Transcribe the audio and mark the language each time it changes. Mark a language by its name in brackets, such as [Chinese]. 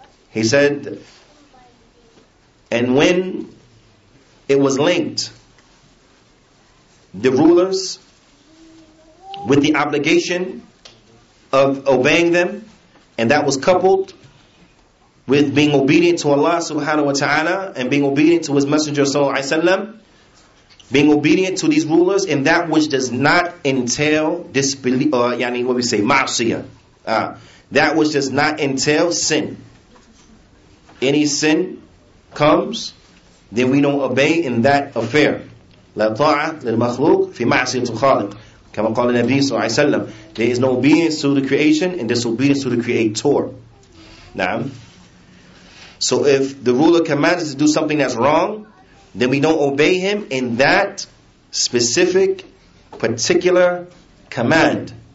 [English] He said, and when it was linked, the rulers, with the obligation of obeying them, and that was coupled with being obedient to Allah subhanahu wa ta'ala, and being obedient to His Messenger sallallahu alayhi wa sallam, being obedient to these rulers, and that which does not entail disbelief, ma'asiyah, that which does not entail sin. Any sin comes, then we don't obey in that affair. [Arabic] لا طاعة للمخلوق في معصية الخالق. كما قال النبي صلى الله عليه وسلم. [English] There is no obedience to the creation and disobedience to the creator. [Arabic] نعم. [English] So if the ruler commands us to do something that's wrong, then we don't obey him in that specific, particular command.